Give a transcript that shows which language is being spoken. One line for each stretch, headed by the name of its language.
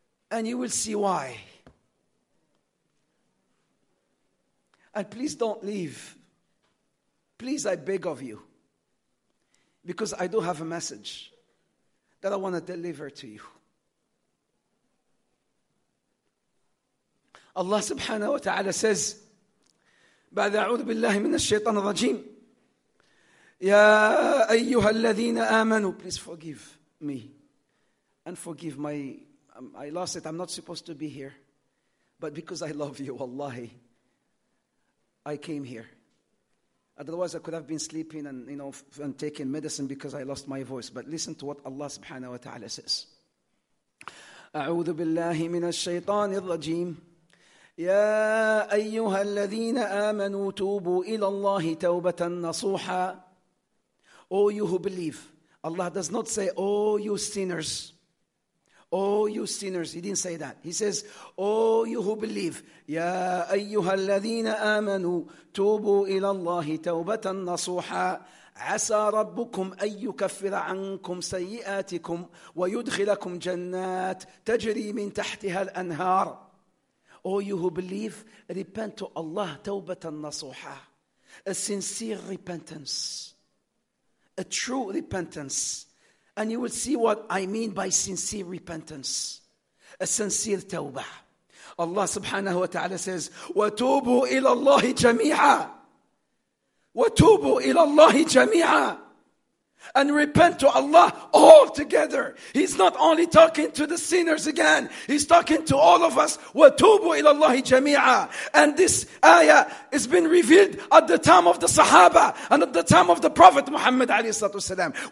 English: And you will see why. And please don't leave. Please, I beg of you. Because I do have a message that I want to deliver to you. Allah subhanahu wa ta'ala says,
Arabic: بعد أعوذ بالله من الشيطان الرجيم يا أيها الذين آمنوا.
English: Please forgive me and forgive my, I lost it, I'm not supposed to be here. But because I love you, wallahi, I came here. Otherwise I could have been sleeping and, you know, and taking medicine because I lost my voice. But listen to what Allah subhanahu wa ta'ala says.
Arabic: أعوذ بالله من الشيطان الرجيم يا أيها الذين آمنوا توبوا إلى الله توبة نصوحا.
English: Oh you who believe. Allah does not say, oh you sinners. Oh you sinners. He didn't say that. He says, oh you who believe.
Arabic: يا أيها الذين آمنوا توبوا إلى الله توبة نصوحا. عسى ربكم أن يكفر عنكم سيئاتكم ويدخلكم جنات تجري من تحتها الأنهار.
English: Oh, you who believe, repent to Allah, tawbatan nasuha, a sincere repentance, a true repentance. And you will see what I mean by sincere repentance, a sincere tawbah. Allah subhanahu wa ta'ala says,
Arabic: وَتُوبُوا إِلَى اللَّهِ جَمِيعًا وَتُوبُوا إِلَى اللَّهِ جَمِيعًا.
English: And repent to Allah all together. He's not only talking to the sinners again. He's talking to all of us.
Arabic: وَتُوبُوا إِلَى اللَّهِ جَمِيعًا.
English: And this ayah has been revealed at the time of the Sahaba and at the time of the Prophet Muhammad ﷺ.